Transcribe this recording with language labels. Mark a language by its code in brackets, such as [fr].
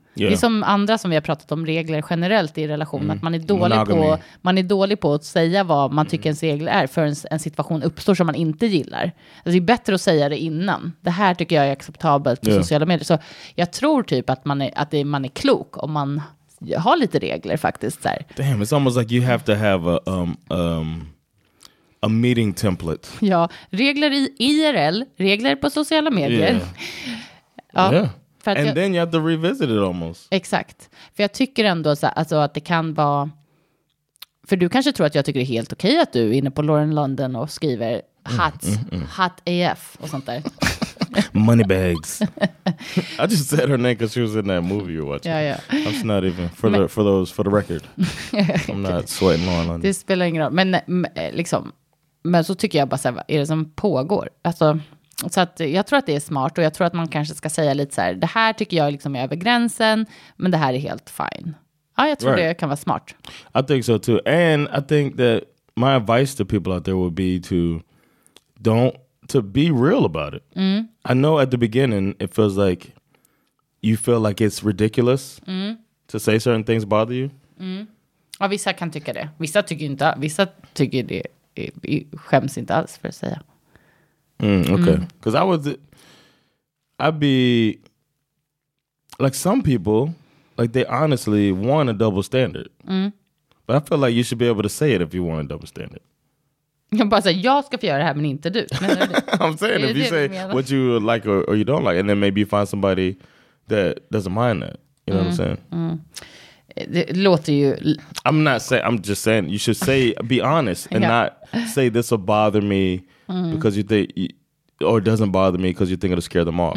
[sv] Det är som andra som vi har pratat om regler generellt i relation. Mm. Att man är dålig på, att säga vad man tycker ens regler är för en situation uppstår som man inte gillar. Alltså, det är bättre att säga det innan. Det här tycker jag är acceptabelt på sociala medier. Så jag tror typ att man är klok om man... Jag har lite regler faktiskt där. [en] Damn, it's almost like you have to have a meeting template. [sv] Ja, regler i IRL, regler på sociala medier. [en] Yeah. Ja. Yeah. And then you have to revisit it almost. [sv] Exakt. För jag tycker ändå så alltså att det kan vara... För du kanske tror att jag tycker det är helt okej att du är inne på Lauren London och skriver [en] hot AF [sv] och sånt där. [en] Moneybags. I just said her name because she was in that movie you're watching. Yeah, yeah. I'm not even for the record. I'm not sweating more on this. [sv] Det spelar ingen roll. Men liksom, men så tycker jag bara så här, är det som pågår. Alltså, så att jag tror att det är smart och jag tror att man kanske ska säga lite så här, det här tycker jag liksom är över gränsen, men det här är helt fine. Ja, jag tror det kan vara smart. [en] I think so too. And I think that my advice to people out there would be to to be real about it. Mm. I know at the beginning it feels like you feel like it's ridiculous to say certain things bother you. [sv] Mm. Ja, vissa kan tycka det. Vissa tycker inte. Vissa tycker det skäms inte alls för att säga. [en] Okay. Because I'd be like some people, like they honestly want a double standard. Mm. But I feel like you should be able to say it if you want a double standard. [sv] Jag bara säger, jag ska få göra det här men inte du. [en] I'm saying if you say what you like or you don't like and then maybe you find somebody that doesn't mind that. You know what I'm saying? [sv] Mm. Det låter ju... [en] I'm not saying, I'm just saying you should say, be honest and not say this will bother me because you think, or doesn't bother me because you think it'll scare them off.